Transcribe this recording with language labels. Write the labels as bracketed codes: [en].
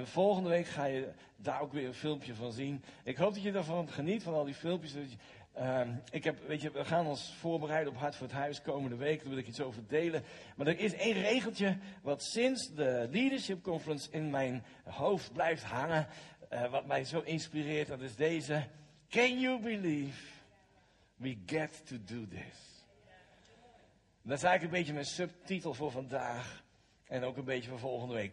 [nl] En volgende week ga je daar ook weer een filmpje van zien. Ik hoop dat je ervan geniet, van al die filmpjes. We gaan ons voorbereiden op Hart voor het Huis komende week. Daar wil ik iets over delen. Maar er is één regeltje wat sinds de Leadership Conference in mijn hoofd blijft hangen. Wat mij zo inspireert, dat is deze. [en] Can you believe we get to do this? [nl] Dat is eigenlijk een beetje mijn subtitel voor vandaag. En ook een beetje voor volgende week.